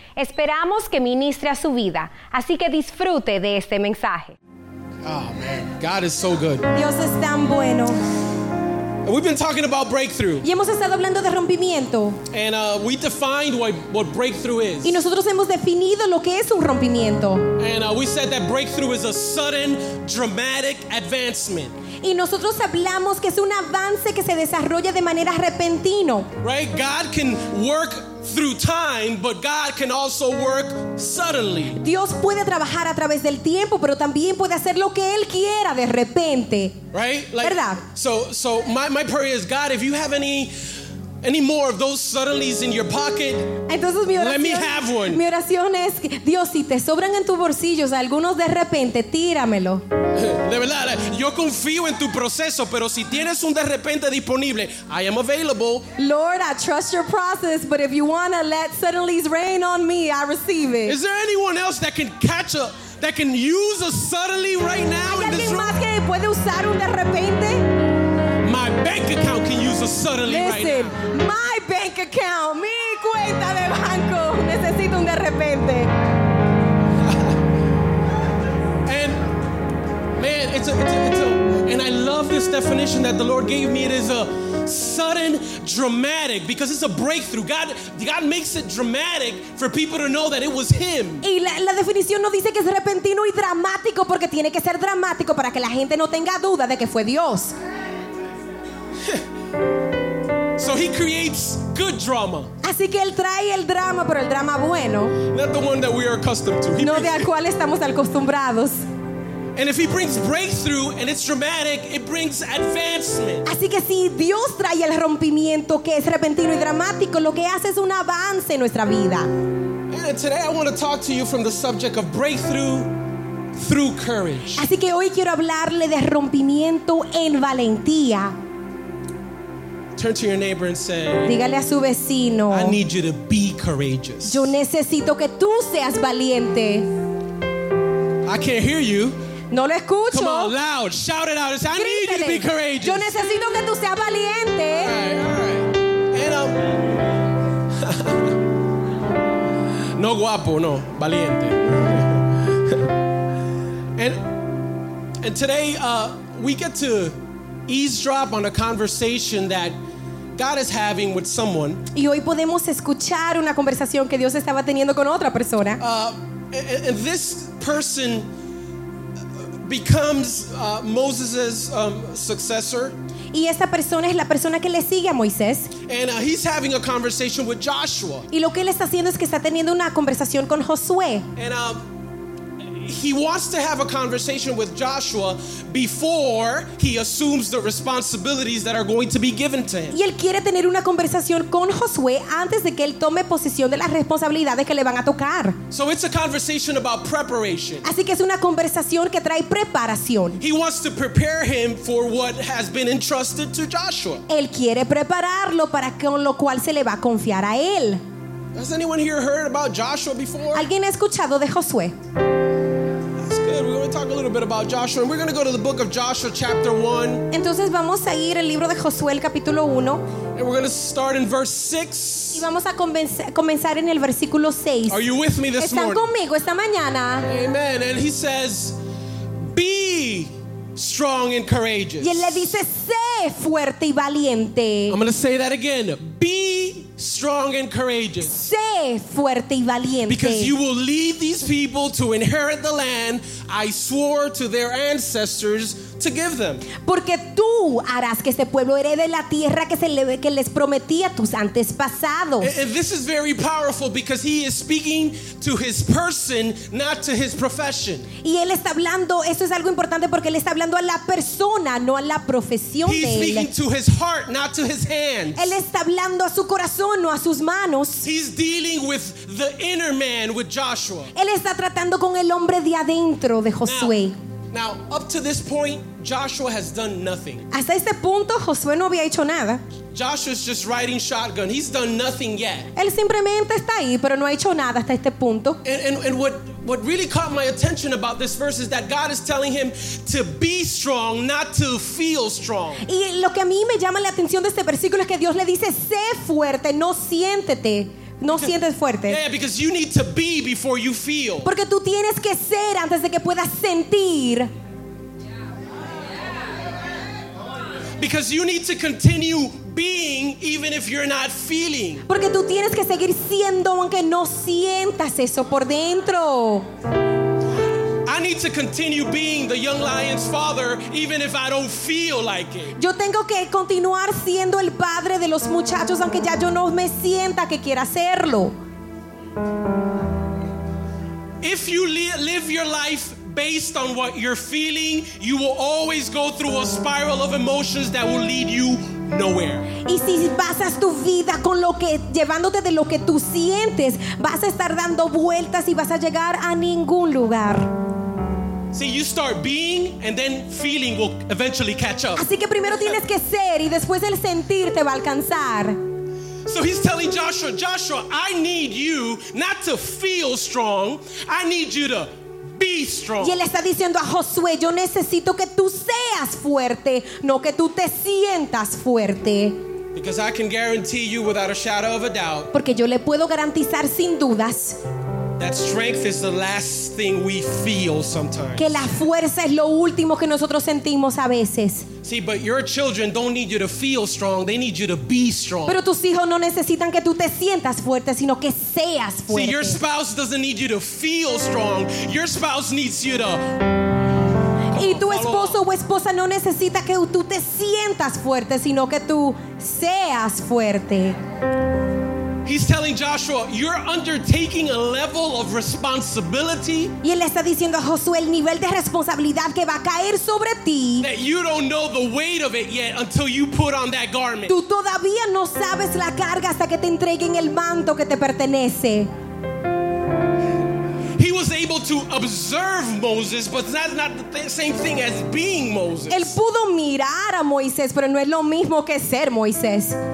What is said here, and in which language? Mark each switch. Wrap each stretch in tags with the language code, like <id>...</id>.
<es>Esperamos que ministre a su vida. Así que disfrute de este mensaje.</es> <en>Oh, man. God is so good.</en> <es>Dios es tan bueno.</es> <en>We've been talking about breakthrough.</en> <es>Y hemos estado hablando de rompimiento.</es> <en>And we defined what breakthrough is.</en> <es>Y nosotros hemos definido lo que es un rompimiento.</es> <en>And we said that breakthrough is a sudden, dramatic advancement.</en> <es>Y nosotros hablamos que es un avance que se desarrolla de manera repentina.</es> <en>Right? God can work through time, but God can also work suddenly.</en> <es>Dios puede trabajar a través del tiempo, pero también puede hacer lo que él quiera de repente.</es> <en>Right?</en> <es>Like, ¿verdad?</es> <en>So my prayer is, God, if you have any more of those suddenlies in your pocket,</en> <es>entonces, mi oración,</es> <en>let me have one.</en> <es>Mi oración es, Dios, si te sobran en tus bolsillos algunos de repente, tíramelo. De verdad, yo confío en tu proceso, pero si tienes un de repente disponible,</es> <en>I am available. Lord, I trust your process, but if you want to let suddenlies rain on me, I receive it. Is there anyone else that can catch up, that can use a suddenly right now in this room?</en> <es>¿Hay alguien más que puede usar un de repente?</es> <en>My bank account can use a suddenly. Listen, right now. My bank account,</en> <es>mi cuenta de banco, necesito un de repente.</es> <en>And man, and I love this definition that the Lord gave me. It is a sudden, dramatic, because it's a breakthrough. God makes it dramatic for people to know that it was Him.</en> <es>Y la definición no dice que es repentino y dramático porque tiene que ser dramático para que la gente no tenga duda de que fue Dios.</es> <en>So he creates good drama.</en> <es>Así que él trae el drama, pero el drama bueno.</es> <en>Not the one that we are accustomed to.</en> <es>No de al cual estamos acostumbrados.</es> <en>And if he brings breakthrough and it's dramatic, it brings advancement.</en> <es>Así que si Dios trae el rompimiento que es repentino y dramático, lo que hace es un avance en nuestra vida.</es> <en>And today I want to talk to you from the subject of breakthrough through courage.</en> <es>Así que hoy quiero hablarle de rompimiento en valentía.</es> <en>Turn to your neighbor and say,</en> <es>dígale a su vecino,</es> <en>I need you to be courageous.</en> <es>Yo necesito que tú seas valiente.</es> <en>I can't hear you.</en> <es>No lo escucho.</es> <en>Come on, loud, shout it out. Say, I</en> <es>grítele.</es> <en>Need you to be courageous.</en> <es>Yo necesito que tú seas valiente. No guapo, no, valiente.</es> <en>And today we get to eavesdrop on a conversation that God is having with someone.</en> <es>Y hoy podemos escuchar una conversación que Dios estaba teniendo con otra persona.</es> <en>And this person becomes Moses's successor.</en> <es>Y esta persona es la persona que le sigue a Moisés.</es> <en>And he's having a conversation with Joshua.</en> <es>Y lo que él está haciendo es que está teniendo una conversación con Josué.</es> <en>And he wants to have a conversation with Joshua before he assumes the responsibilities that are going to be given to him.</en> <es>Y él quiere tener una conversación con Josué antes de que él tome posesión de las responsabilidades que le van a tocar.</es> <en>So it's a conversation about preparation.</en> <es>Así que es una conversación que trae preparación.</es> <en>He wants to prepare him for what has been entrusted to Joshua.</en> <es>Él quiere prepararlo para con lo cual se le va a confiar a él.</es> <en>Has anyone here heard about Joshua before?</en> <es>¿Alguien ha escuchado de Josué?</es> <en>Talk a little bit about Joshua, and we're going to go to the book of Joshua, chapter 1.</en> <es>Entonces vamos a ir al libro de Josué, el capítulo 1.</es> <en>And we're going to start in verse 6.</en> <es>Y vamos a comenzar en el versículo 6.</es> <en>Are you with me this</en> <es>¿Están</es> <en>morning?</en> <es>¿Están conmigo esta mañana?</es> <en>Amen. And he says, be strong and courageous.</en> <es>Y él le dice, sé fuerte y valiente.</es> <en>I'm going to say that again. Be strong and courageous.</en> <es>Sé fuerte y valiente.</es> <en>Because you will lead these people to inherit the land I swore to their ancestors to give them.</en> <es>Porque tú harás que este pueblo herede la tierra que les prometí a tus antepasados.</es> <en>And this is very powerful because he is speaking to his person, not to his profession.</en> <es>Y él está hablando, esto es algo importante porque él está hablando a la persona, no a la profesión de él.</es> <en>He's speaking to his heart, not to his hands.</en> <es>Él está hablando a su corazón, no a sus manos.</es> <en>He's dealing with the inner man, with Joshua.</en> <es>Él está tratando con el hombre de adentro de Josué.</es> <en>Now, up to this point, Joshua has done nothing.</en> <es>Hasta este punto, Josué no había hecho nada.</es> <en>Joshua's just riding shotgun. He's done nothing yet.</en> <es>Él simplemente está ahí, pero no ha hecho nada hasta este punto.</es> <en>And what really caught my attention about this verse is that God is telling him to be strong, not to feel strong.</en> <es>Y lo que a mí me llama la atención de este versículo es que Dios le dice, sé fuerte, no siéntete. No sientes fuerte.</es> <en>Yeah, because you need to be before you feel.</en> <es>Porque tú tienes que ser antes de que puedas sentir.</es> <en>Because you need to continue being even if you're not feeling.</en> <es>Porque tú tienes que seguir siendo aunque no sientas eso por dentro.</es> <en>I need to continue being the young lion's father even if I don't feel like it.</en> <es>Yo tengo que continuar siendo el padre de los muchachos aunque ya yo no me sienta que quiera hacerlo.</es> <en>If you live your life based on what you're feeling, you will always go through a spiral of emotions that will lead you nowhere.</en> <es>Y si pasas tu vida con lo que llevándote de lo que tú sientes, vas a estar dando vueltas y vas a llegar a ningún lugar.</es> <en>See, you start being and then feeling will eventually catch up.</en> <es>Así que primero tienes que ser y después el sentir te va a alcanzar.</es> <en>So he's telling Joshua, Joshua, I need you not to feel strong. I need you to be strong.</en> <es>Y él está diciendo a Josué, yo necesito que tú seas fuerte, no que tú te sientas fuerte.</es> <en>Because I can guarantee you without a shadow of a doubt.</en> <es>Porque yo le puedo garantizar sin dudas.</es> <en>That strength is the last thing we feel sometimes.</en> <es>Que la fuerza es lo último que nosotros sentimos a veces.</es> <en>See, but your children don't need you to feel strong, they need you to be strong.</en> <es>Pero tus hijos no necesitan que tú te sientas fuerte, sino que seas fuerte.</es> <en>See, your spouse doesn't need you to feel strong. Your spouse needs you to</en> <es>Y tu esposo o esposa no necesita que tú te sientas fuerte, sino que tú seas fuerte.</es> <en>He's telling Joshua, you're undertaking a level of responsibility.</en> <es>Y él está diciendo a Josué el nivel de responsabilidad que va a caer sobre ti.</es> <en>That you don't know the weight of it yet until you put on that garment.</en> <es>Tú todavía no sabes la carga hasta que te entreguen el manto que te pertenece.</es> <en>He was able to observe Moses, but that's not the same thing as being Moses.</en> <es>Él pudo mirar a Moisés, pero no es lo mismo que ser Moisés.</es>